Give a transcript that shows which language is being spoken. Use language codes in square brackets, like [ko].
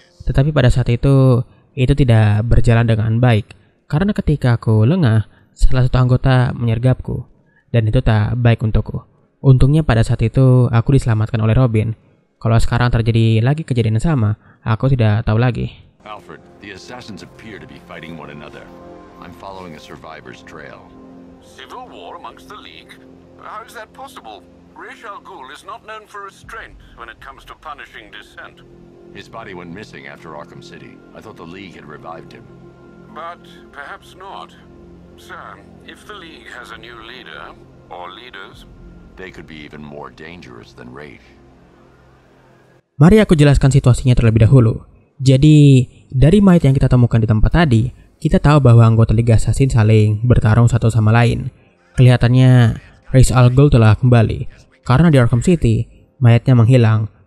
[id] Tetapi pada saat itu tidak berjalan dengan baik. Karena ketika aku lengah, salah satu anggota menyergapku. Dan itu tak baik untukku. Untungnya pada saat itu, aku diselamatkan oleh Robin. Kalau sekarang terjadi lagi kejadian yang sama, aku tidak tahu lagi. [en] Alfred, the assassins appear to be fighting one another. I'm following a survivor's trail. Civil war amongst the League? How is that possible? Ra's al Ghul is not known for restraint when it comes to punishing dissent. His body went missing after Arkham City. I thought the League had revived him. But perhaps not. Sir, if the League has a new leader, or leaders, they could be even more dangerous than Ra's. [id] Mari aku jelaskan situasinya terlebih dahulu. Jadi, dari mayat yang kita temukan di tempat tadi, kita tahu bahwa anggota Liga Assassin saling bertarung satu sama lain. Kelihatannya Ra's al Ghul telah kembali. Karena di Arkham City, mayatnya menghilang.